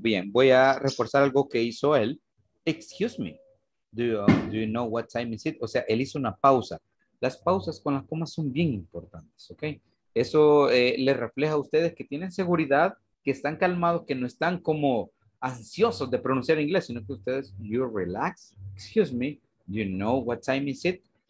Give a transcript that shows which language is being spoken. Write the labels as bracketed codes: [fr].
[es] Bien, voy a reforzar algo que hizo él. [en] Excuse me, do you know what time is it? [es] O sea, él hizo una pausa. Las pausas con las comas son bien importantes, ¿ok? Eso le refleja a ustedes que tienen seguridad que están calmados, que no están como ansiosos de pronunciar inglés, sino que ustedes, [en] you relax, excuse me, you know what time is it?